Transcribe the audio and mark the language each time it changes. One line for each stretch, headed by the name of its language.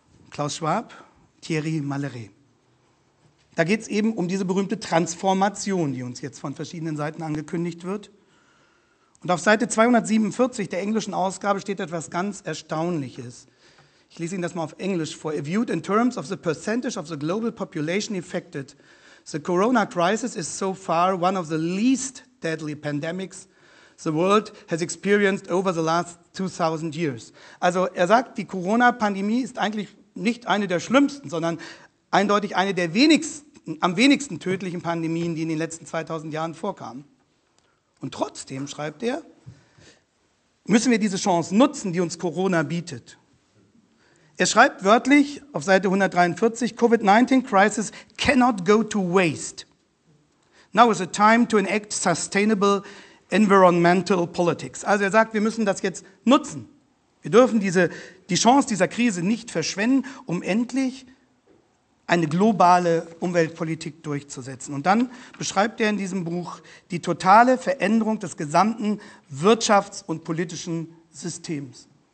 German: Klaus Schwab, Thierry Malleret. Da geht es eben um diese berühmte Transformation, die uns jetzt von verschiedenen Seiten angekündigt wird. Und auf Seite 247 der englischen Ausgabe steht etwas ganz Erstaunliches. Ich lese Ihnen das mal auf Englisch vor.
English: If viewed in terms of the percentage of the global population affected, the corona crisis is so far one of the least deadly pandemics the world has experienced over the last 2000 years.
German: Also er sagt, die Corona-Pandemie ist eigentlich nicht eine der schlimmsten, sondern eindeutig eine der am wenigsten tödlichen Pandemien, die in den letzten 2000 Jahren vorkamen. Und trotzdem, schreibt er, müssen wir diese Chance nutzen, die uns Corona bietet. Er schreibt wörtlich auf Seite 143,
English: Covid-19 crisis cannot go to waste. Now is the time to enact sustainable environmental politics.
German: Also er sagt, wir müssen das jetzt nutzen. Wir dürfen die Chance dieser Krise nicht verschwenden, um endlich eine globale Umweltpolitik durchzusetzen. Und dann beschreibt er in diesem Buch die totale Veränderung des gesamten Wirtschafts- und politischen Systems.